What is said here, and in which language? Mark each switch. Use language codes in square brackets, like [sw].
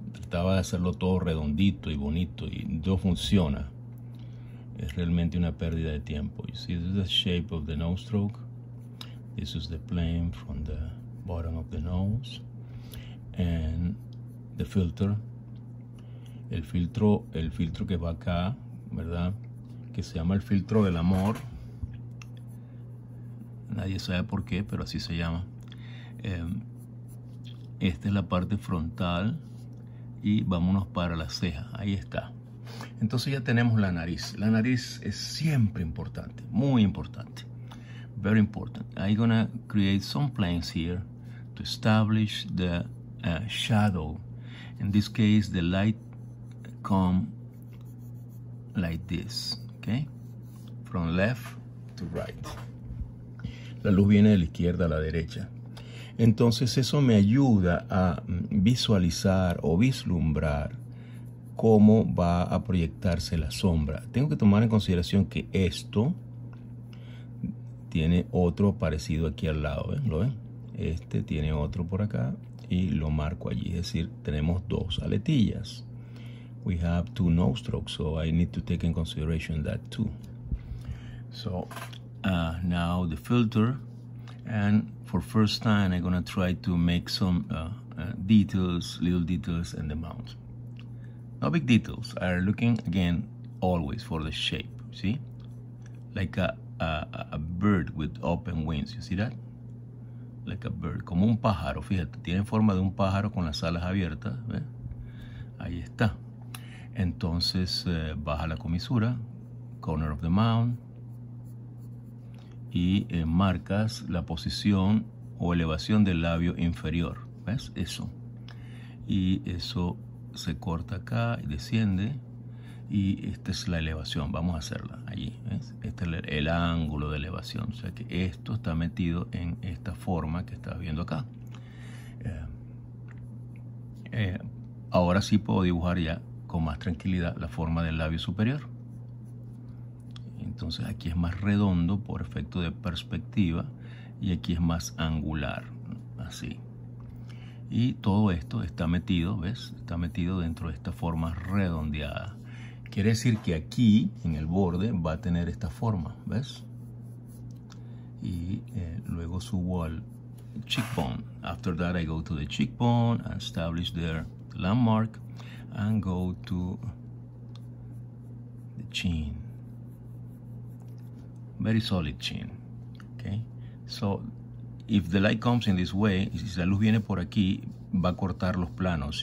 [es] Trataba de hacerlo todo redondito y bonito y no funciona. Es realmente una pérdida de tiempo. [en] You see, this is the shape of the nose stroke. This is the plane from the bottom of the nose. And the filter. [es] El filtro que va acá, ¿verdad? Que se llama el filtro del amor. Nadie sabe por qué, pero así se llama. Esta es la parte frontal. Y vámonos para la ceja. Ahí está. Entonces ya tenemos la nariz. La nariz es siempre importante, muy importante. [en] Very important. I'm gonna create some planes here to establish the shadow. In this case, the light come like this, okay? From left to right. [es] La luz viene de la izquierda a la derecha. Entonces eso me ayuda a visualizar o vislumbrar cómo va a proyectarse la sombra. Tengo que tomar en consideración que esto tiene otro parecido aquí al lado. ¿Ven? ¿Lo ven? Este tiene otro por acá y lo marco allí. Es decir, tenemos dos aletillas. [en] We have two nose strokes, so I need to take in consideration that too. So, now the filter. And for first time, I'm going to try to make some details, little details in the mouth. No big details, I'm looking again always for the shape, see? Like a bird with open wings, you see that? Like a bird, [es] como un pájaro, fíjate, tiene forma de un pájaro con las alas abiertas, ¿ve? Ahí está. Entonces, baja la comisura, [en] corner of the mouth, [es] y marcas la posición o elevación del labio inferior, ¿ves? Eso. Y eso se corta acá y desciende, y esta es la elevación. Vamos a hacerla allí, ¿ves? Este es el ángulo de elevación, o sea que esto está metido en esta forma que estás viendo acá. Ahora sí puedo dibujar ya con más tranquilidad la forma del labio superior. Entonces aquí es más redondo por efecto de perspectiva, y aquí es más angular, así. Y todo esto está metido, ¿ves? Está metido dentro de esta forma redondeada. Quiere decir que aquí, en el borde, va a tener esta forma, ¿ves? Y luego subo al cheekbone. [en] After that, I go to the cheekbone, and establish their landmark, and go to the chin. Very solid chin, okay? So, if the light comes in this way, [es] si la luz viene por aquí, va a cortar los planos.